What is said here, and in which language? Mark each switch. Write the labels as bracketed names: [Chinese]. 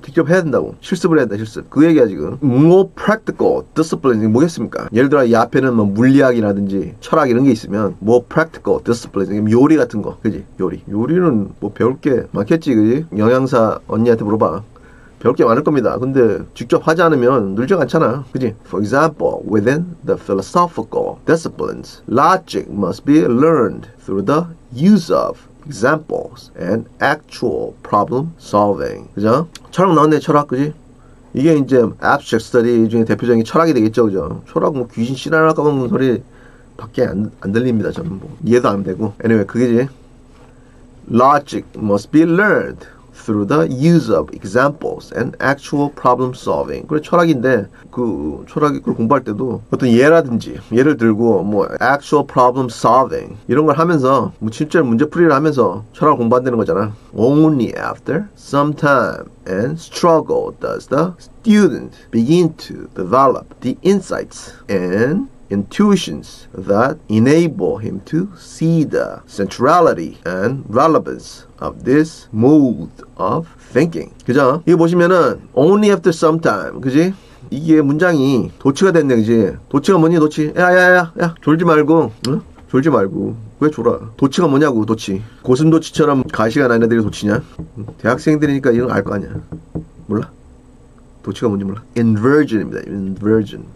[Korean] 직접 해야 된다고. 실습을 해야 된다. 실습. 그 얘기야 지금. [English] More practical discipline [Korean] 뭐겠습니까? 예를 들어 이 앞에는 뭐 물리학이라든지 철학 이런 게 있으면 [English] More practical discipline [Korean] 요리 같은 거 그지? 요리. 요리는 뭐 배울 게 많겠지 그지? 영양사 언니한테 물어봐. 별 게 많을 겁니다. 근데 직접 하지 않으면 늘지 않잖아. 그지? [English] For example, within the philosophical disciplines, logic must be learned through the use of examples and actual problem solving. [Korean] 그죠? 철학 나왔네, 철학. 그지? 이게 이제 abstract study 중에 대표적인 철학이 되겠죠. 그죠? 철학 뭐 귀신 신화나 까먹는 소리 밖에 안 들립니다. 저는 뭐. 이해도 안 되고. Anyway, 그게지. [English] Logic must be learned through the use of examples and actual problem solving. [Korean] 그래, 철학인데, 그 철학이 그걸 공부할 때도 어떤 예라든지, 예를 들고 뭐 [English] actual problem solving [Korean] 이런 걸 하면서, 뭐 실제 문제풀이를 하면서 철학을 공부한다는 거잖아. [English] Only after some time and struggle does the student begin to develop the insights and intuitions that enable him to see the centrality and relevance of this mode of thinking. [Korean] 그죠? 이거 보시면은 [English] only after some time, [Korean] 그지? 이게 문장이 도치가 됐네, 그지? 도치가 뭐니, 도치? 야, 졸지 말고, 응? 졸지 말고. 왜 졸아? 도치가 뭐냐고, 도치. 고슴도치처럼 가시가 난 애들이 도치냐? 대학생들이니까 이런 거 알 거 아니야. 몰라? 도치가 뭔지 몰라. Inversion입니다. Inversion.